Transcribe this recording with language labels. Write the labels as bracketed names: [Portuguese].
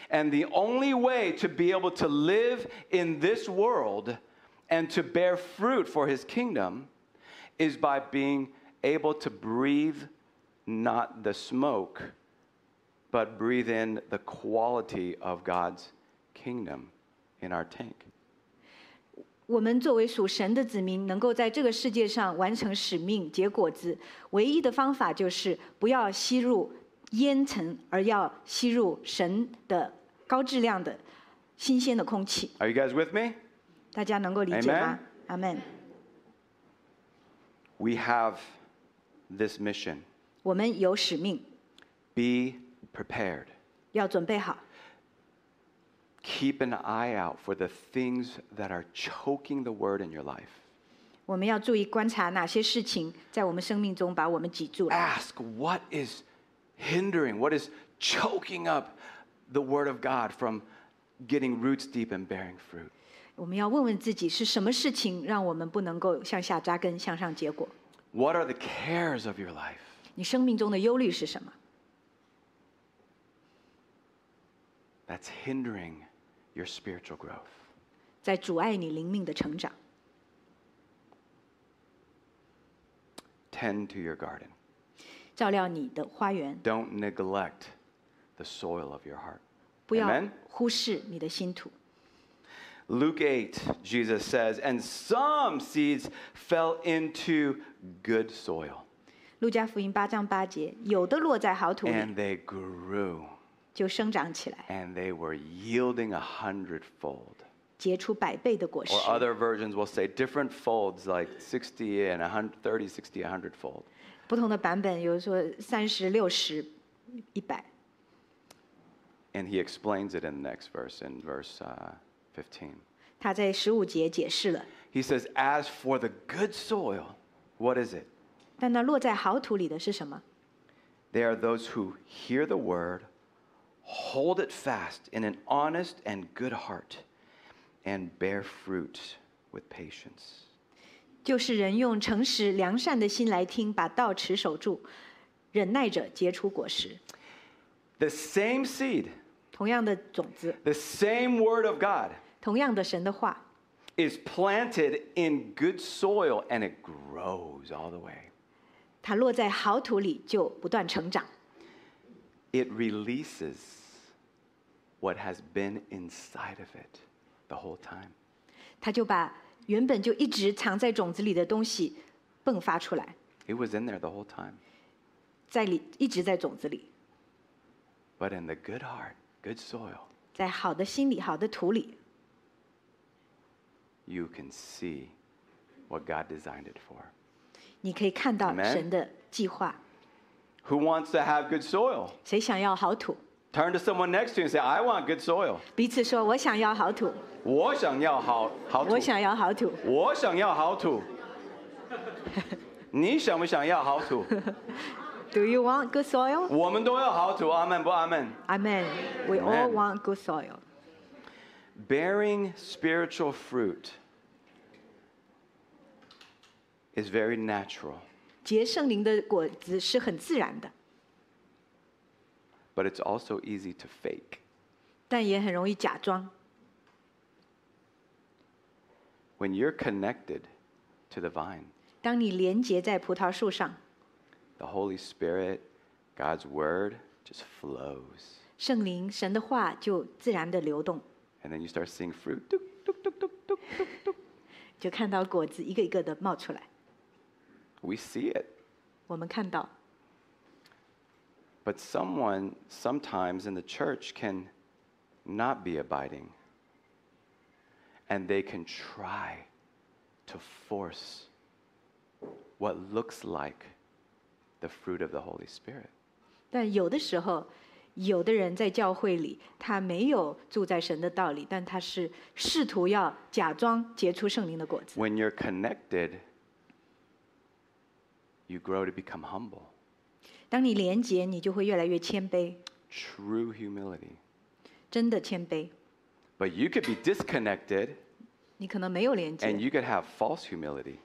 [English] And the only way to be able to live in this world and to bear fruit for his kingdom is by being able to breathe not the smoke, but breathe in the quality of God's kingdom in our tank. [Chinese] 我们作为属神的子民，能够在这个世界上完成使命、结果子，唯一的方法就是不要吸入烟尘，而要吸入神的高质量的、新鲜的空气。 [English] Are you guys with me? [Chinese] 大家能够理解吗？ [English] Amen. Amen. We have this mission. [Chinese] 我们有使命。 [English] Be prepared. [Chinese] 要准备好。 [English] Keep an eye out for the things that are choking the word in your life. [Chinese] 我们要注意观察哪些事情在我们生命中把我们挤住了。 [English] Ask what is hindering, what is choking up the word of God from getting roots deep and bearing fruit. [Chinese] 我们要问问自己是什么事情让我们不能够向下扎根，向上结果。 [English] What are the cares of your life? [Chinese] 你生命中的忧虑是什么？ [English] That's hindering your spiritual growth. [Chinese] 在阻碍你灵命的成长。 [English] Tend to your garden. [Chinese] 照料你的花园。 [English] Don't neglect the soil of your heart. [Chinese] 不要忽视你的心土。 [English] Luke 8, Jesus says, and some seeds fell into good soil. [Chinese] 路加福音八章八节，有的落在好土里。 [English] And they grew. [Chinese] 就生长起来。 [English] And they were yielding a hundredfold. [Chinese] 结出百倍的果实。 [English] Or other versions will say different folds, like 60 and 130, 60, 100 fold. [Chinese] 不同的版本有说三十、六十、一百。 [English] And he explains it in the next verse, in verse 15. [Chinese] 他在十五节解释了。 [English] He says, as for the good soil, what is it? [Chinese] 但那落在好土里的是什么？ [English] They are those who hear the word,Hold it fast in an honest and good heart, and bear fruit with patience. [Chinese] 就是人用诚实良善的心来听，把道持守住，忍耐着结出果实。 [English] The same seed, [Chinese] 同样的种子。 [English] The same word of God, [Chinese] 同样的神的话。 [English] Is planted in good soil and it grows all the way. [Chinese] 它落在好土里就不断成长。 [English] It releases what has been inside of it the whole time. [Chinese] 它就把原本就一直藏在种子里的东西迸发出来。 [English] It was in there the whole time. [Chinese] 在里一直在种子里。 [English] But in the good heart, good soil. [Chinese] 在好的心里，好的土里。 [English] You can see what God designed it for. [Chinese] 你可以看到神的计划。 [English] Who wants to have good soil? [Chinese] 谁想要好土? [English] Turn to someone next to you and say, I want good soil. [Chinese] 彼此说我想要好土。我想要好好土。我想要好土。我想要好土。你想不想要好土? [English] Do you want good soil? [Chinese] 我们都要好土。Amen, 不 Amen? [English] Amen. We all want good soil. Bearing spiritual fruit is very natural. [Chinese] 结圣灵的果子是很自然的。 [English] But it's also easy to fake. [Chinese] 但也很容易假装。 [English] When you're connected to the vine, [Chinese] 当你连接在葡萄树上 [English] the Holy Spirit, God's word, just flows. [Chinese] 圣灵神的话就自然的流动。 [English] And then you start seeing fruit. 嘟嘟嘟嘟嘟嘟嘟。 [Chinese] 就看到果子一个一个的冒出来。 [English] We see it. [Chinese] 我们看到。 [English] But someone sometimes in the church can not be abiding. And they can try to force what looks like the fruit of the Holy Spirit. [Chinese] 但有的时候，有的人在教会里，他没有住在神的道里，但他是试图要假装结出圣灵的果子。 [English] When you're connected,You grow to become humble. [Chinese] 当你连结，你就会越来越谦卑。 [English] True humility. [Chinese] 真的谦卑。 [English] But you could be disconnected. [Chinese] 你可能没有连结。 [English] And you could have false humility.